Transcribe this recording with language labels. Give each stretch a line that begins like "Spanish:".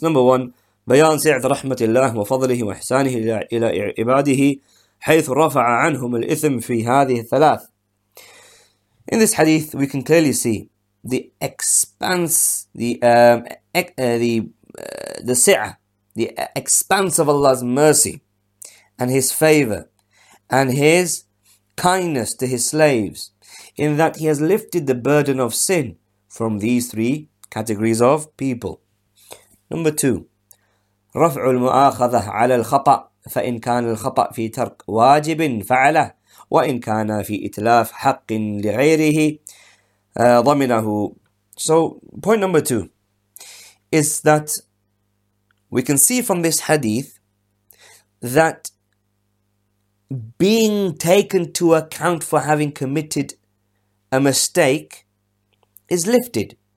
English: Number one,
Arabic: بيان سعة رحمة الله وفضله وإحسانه إلى عباده حيث رفع عنهم الإثم في هذه الثلاث.
English: In this hadith, we can clearly see the expanse, the expanse of Allah's mercy and His favor and His kindness to His slaves, in that He has lifted the burden of sin from these three categories of people. Number two,
Arabic: رفع المؤاخذة على الخطأ فإن كان الخطأ في ترك واجب فعله وإن كان في إتلاف حق لغيره ضمنه.
English: So point number two is that we can see from this hadith that being taken to account for having committed a mistake is lifted.